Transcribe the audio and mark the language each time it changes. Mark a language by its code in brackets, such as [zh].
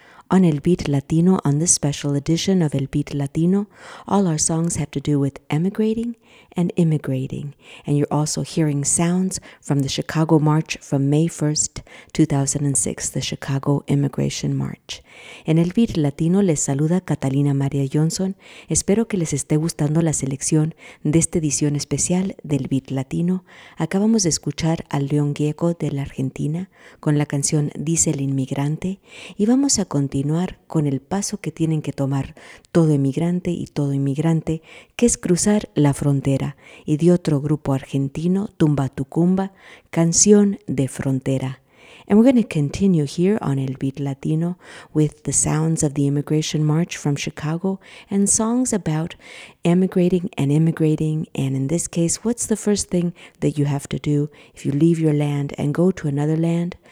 [en] On El Beat Latino, on this special edition of El Beat Latino, all our songs have to do with emigrating and immigrating. And you're also hearing sounds from the Chicago March from May 1st, 2006, the Chicago Immigration March. [es] En El Beat Latino les saluda Catalina María Johnson. Espero que les esté gustando la selección de esta edición especial del Beat Latino. Acabamos de escuchar al León Gieco de la Argentina con la canción Dice el Inmigrante, y vamos a continuar con el paso que tienen que tomar todo emigrante y todo inmigrante, que es cruzar la frontera, y de otro grupo argentino, Tumba Tucumba, Canción de Frontera. [en] And we're going to continue here on El Beat Latino with the sounds of the Immigration March from Chicago and songs about emigrating and immigrating. And in this case, what's the first thing that you have to do if you leave your land and go to another land?